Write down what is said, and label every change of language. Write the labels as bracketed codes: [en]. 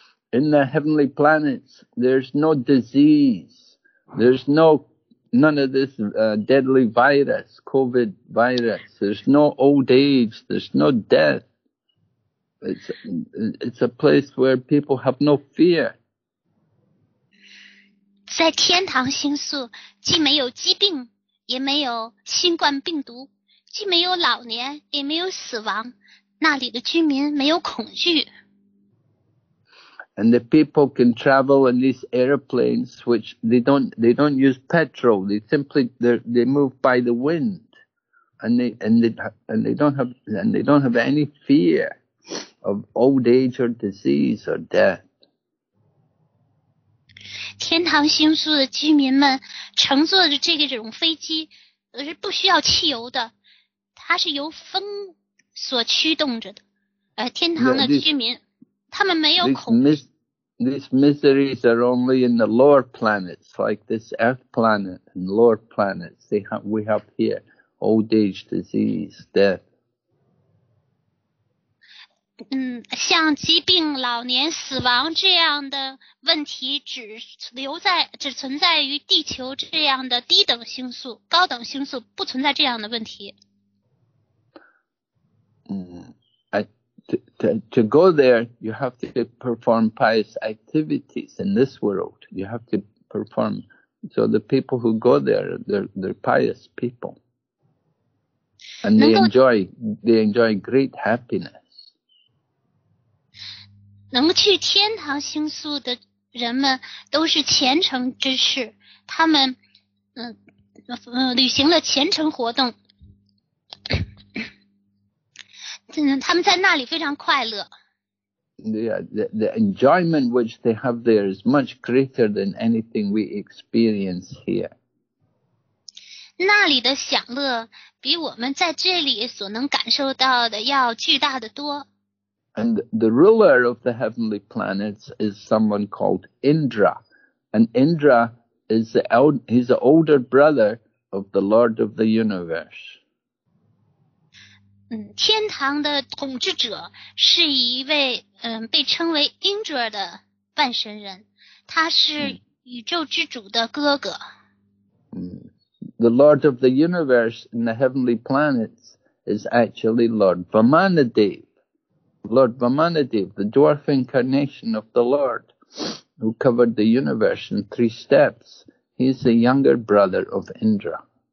[en] In the heavenly planets, there's no disease. There's no, none of this, deadly virus, COVID virus. There's no old age. There's no death. It's a place where people have no fear. [zh] 在天堂星宿，既没有疾病，也没有新冠病毒，既没有老年，也没有死亡，那里的居民没有恐惧。 [en] And the people can travel in these airplanes, which they don't use petrol. They simply they move by the wind, and they don't have any fear of old age or disease or death. [zh] 天堂星宿的居民们乘坐着这种飞机，而是不需要汽油的，它是由风所驱动着的。天堂的居民， [en] yeah, these, [zh] 他们没有恐惧。 [en] These miseries are only in the lower planets, like this Earth planet and lower planets. We have here old age, disease, death. [zh] 像疾病、老年、死亡这样的问题只存在于地球这样的低等星宿，高等星宿不存在这样的问题。 [en] To go there, you have to perform pious activities in this world. You have to perform. So the people who go there, they're pious people, and they enjoy great happiness. [zh] 能去天堂星宿的人们都是虔诚之士，他们履行了虔诚活动，他们在那里非常快乐。 [en] The enjoyment which they have there is much greater than anything we experience here. [zh] 那里的享乐比我们在这里所能感受到的要巨大的多。 [en] And the ruler of the heavenly planets is someone called Indra. And Indra is he's the older brother of the Lord of the Universe. [zh] 天堂的统治者是一位被称为 Indra 的半神人，他是宇宙之主的哥哥。 [en] The Lord of the universe and the heavenly planets is actually Lord Vamanadeva. Lord Vamanadeva, the dwarf incarnation of the Lord, who covered the universe in three steps, he's the younger brother of Indra.